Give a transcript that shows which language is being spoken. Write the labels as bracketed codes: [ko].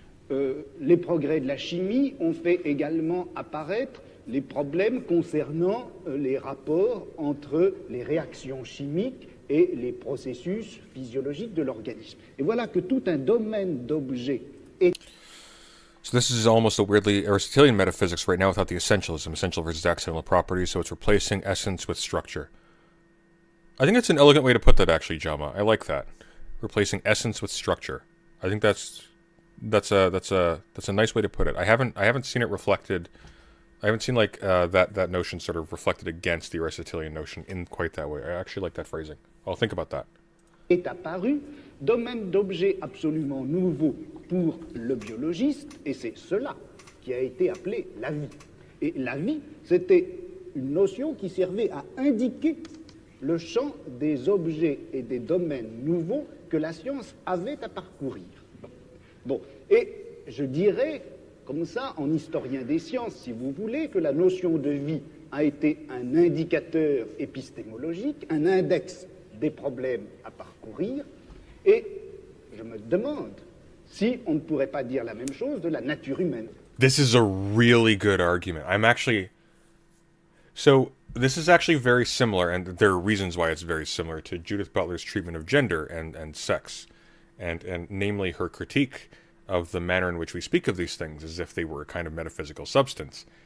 [fr] Les progrès de la chimie ont fait également apparaître les problèmes concernant les rapports entre les réactions chimiques et les processus physiologiques de l'organisme. Et voilà que tout un domaine d'objets est... [en] So this is almost a weirdly Aristotelian metaphysics right now without the essentialism, essential versus accidental properties, so it's replacing essence with structure. I think that's an elegant way to put that, actually, Jama. I like that. Replacing essence with structure. I think that's a nice way to put it. I haven't seen it reflected... I haven't seen like that notion sort of reflected against the Aristotelian notion in quite that way. I actually like that phrasing. I'll think about that. [fr] Est apparu domaine d'objets absolument nouveau pour le biologiste, et c'est cela qui a été appelé la vie. Et la vie, c'était une notion qui servait à indiquer le champ des objets et des domaines nouveaux que la science avait à parcourir. Bon, et je dirais comme ça, en historien des sciences, si vous voulez, que la notion de vie a été un indicateur épistémologique, un index des problèmes à parcourir. Et je me demande si on ne pourrait pas dire la même chose de la nature humaine. [en] This is a really good argument. I'm actually... So, this is actually very similar, and there are reasons why it's very similar to Judith Butler's treatment of gender and sex, and namely her critique of the manner in which we speak of these things as if they were a kind of metaphysical substance.